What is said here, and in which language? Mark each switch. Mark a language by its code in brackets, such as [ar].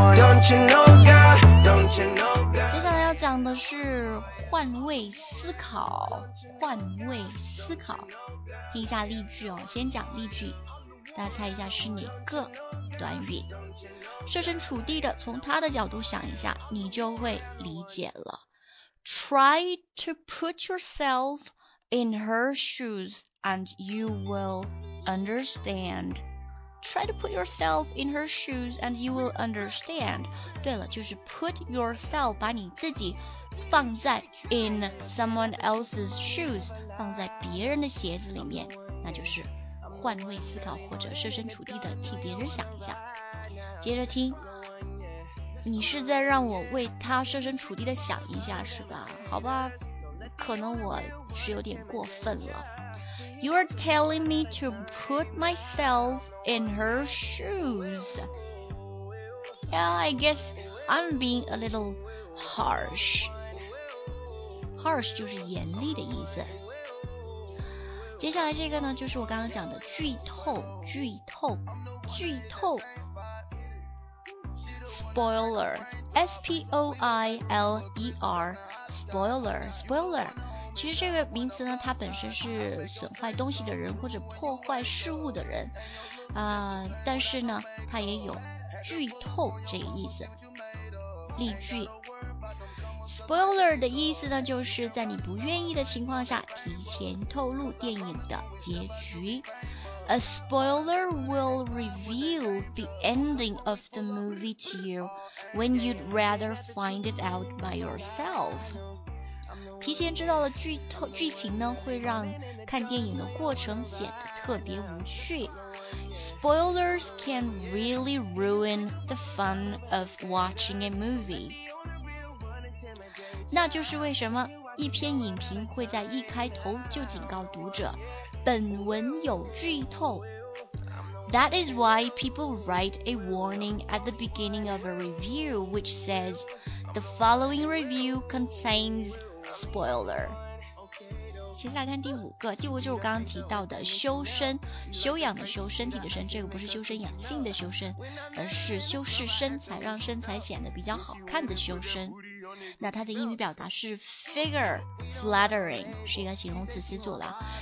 [zh] 接下来要讲的是换位思考。换位思考，听一下例句哦。先讲例句，大家猜一下是哪个短语。设身处地的从他的角度想一下，你就会理解了。 [en] Try to put yourself in her shoes and you will understand. Try to put yourself in her shoes and you will understand. [zh] 对了，就是 [en] put yourself， [zh] 把你自己放在 [en] in someone else's shoes， [zh] 放在别人的鞋子里面，那就是换位思考或者设身处地的替别人想一下。接着听，你是在让我为他设身处地的想一下是吧？好吧，可能我是有点过分了。 [en] You are telling me to put myself in her shoes. Yeah, I guess I'm being a little harsh. [zh] Harsh 就是严厉的意思。接下来这个呢，就是我刚刚讲的剧透，剧透，剧透。 [en] Spoiler, S-P-O-I-L-E-R, spoiler, spoiler. [zh] 其实这个名词呢，它本身是损坏东西的人或者破坏事物的人，但是呢，它也有剧透这个意思。例句 ，spoiler 的意思呢，就是在你不愿意的情况下提前透露电影的结局。 [en] A spoiler will reveal the ending of the movie to you when you'd rather find it out by yourself. [zh] 提前知道了剧情呢，会让看电影的过程显得特别无趣。 [en] Spoilers can really ruin the fun of watching a movie. [zh] 那就是为什么一篇影评会在一开头就警告读者，本文有剧透。 [en] That is why people write a warning at the beginning of a review, which says, the following review contains... Spoiler. [zh] 接下来看第五个，第五个就是我刚刚提到的修身，修养的修，身体的身，这个不是修身养性的修身，而是修饰身材，让身材显得比较好看的修身。那它的英语表达是 figure flattering， 是一个形容词词组了。